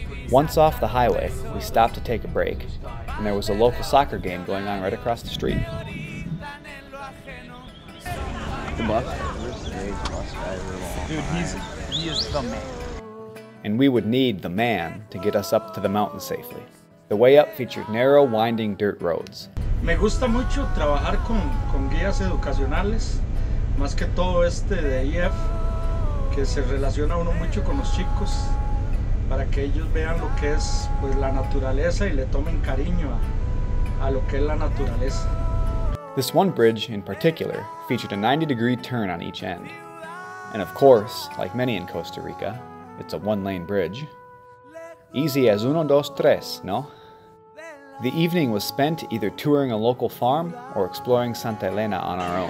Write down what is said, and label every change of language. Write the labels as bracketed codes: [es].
[en] Once off the highway, we stopped to take a break, and there was a local soccer game going on right across the street. The bus driver. Dude, he is the man. And we would need the man to get us up to the mountain safely. The way up featured narrow, winding dirt roads. [es] Me gusta mucho trabajar con guías educacionales, más que todo este de IF, que se relaciona uno mucho con los chicos. Para que ellos vean lo que es pues, la naturaleza y le tomen cariño a lo que es la naturaleza. [en] This one bridge, in particular, featured a 90-degree turn on each end. And of course, like many in Costa Rica, it's a one-lane bridge. Easy as [es] uno, dos, tres, [en] no? The evening was spent either touring a local farm or exploring Santa Elena on our own.